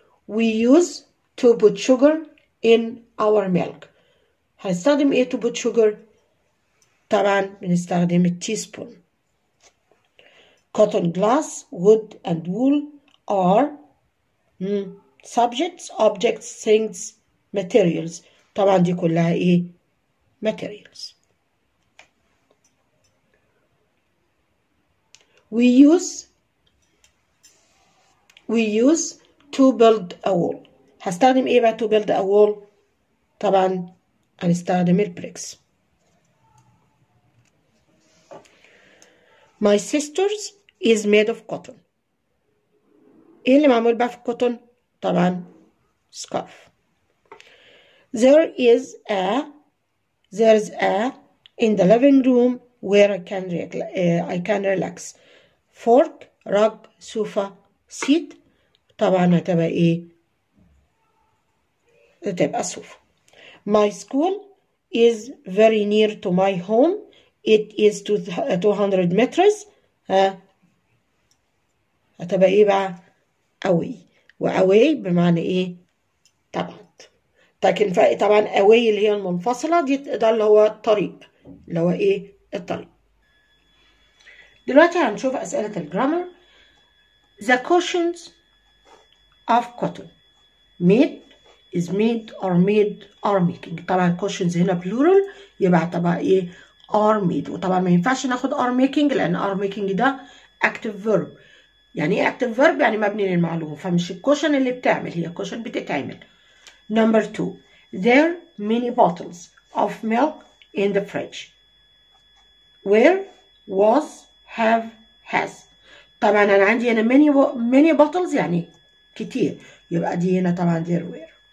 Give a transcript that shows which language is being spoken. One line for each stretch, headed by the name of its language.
English: We use to put sugar in our milk.
Arabic: هنستخدم ايه
English: to put sugar؟
Arabic: طبعا بنستخدم التيسبون.
English: Cotton, glass, wood and wool are subjects, objects, things, materials.
Arabic: طبعا دي كلها ايه؟ materials.
English: We use to build a wall.
Arabic: هستخدم ايه بقى
English: to build a wall؟
Arabic: طبعا هنستخدم البريكس.
English: My sister's is made of cotton.
Arabic: ايه اللي معمول بقى في الكوتون؟ طبعا scarf.
English: There's a in the living room where I can relax. Fork, rug, sofa, seat.
Arabic: طبعا هتبقى ايه؟ هتبقى صوفة.
English: My school is very near to my home. It is 200 meters.
Arabic: هتبقى ايه بقى؟ away. وaway بمعنى ايه؟ طبعا. لكن طبعا away اللي هي المنفصلة دي ده اللي هو الطريق. اللي هو ايه؟ الطريق. دلوقتي هنشوف اسئلة الجرامر.
English: The cushions of cotton.
Arabic: ميد از ميد ار ميد ار ميكينج. طبعا الكوشنز هنا بلورال يبقى هتبقى ايه ار ميد. وطبعا ما ينفعش ناخد ار ميكينج لان ار ميكينج ده اكتف فيرب. يعني ايه اكتف فيرب؟ يعني مبني للمعلوم. فمش الكوشن اللي بتعمل، هي كوشن بتتعمل.
English: Number 2 there are many bottles of milk in the fridge. Where was have has.
Arabic: طبعا انا عندي هنا
English: many many bottles
Arabic: يعني كتير، يبقى دي هنا طبعا
English: there were.